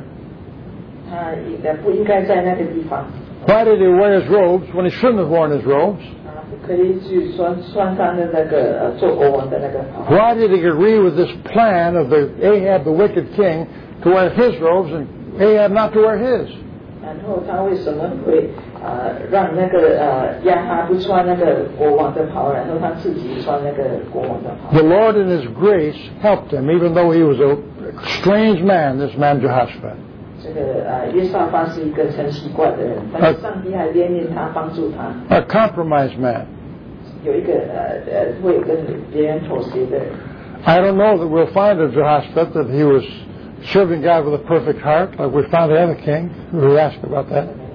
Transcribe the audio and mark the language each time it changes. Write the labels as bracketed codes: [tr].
[en] Why did he wear his robes when he shouldn't have worn his robes? Why did he agree with this plan of Ahab, the wicked king, to wear his robes and Ahab not to wear his. [zh] 然后他为什么会让那个亚哈不穿那个国王的袍，然后他自己穿那个国王的袍。 [en] The Lord in His grace helped him, even though he was a strange man, this man Jehoshaphat. [zh] 这个约瑟发是一个很奇怪的人，但是上帝还怜悯他，帮助他。 [en] A compromised man. [zh] 有一个会跟别人妥协的人。 [en] I don't know that we'll find a Jehoshaphat that he was serving God with a perfect heart, like we found the other king. We asked about that.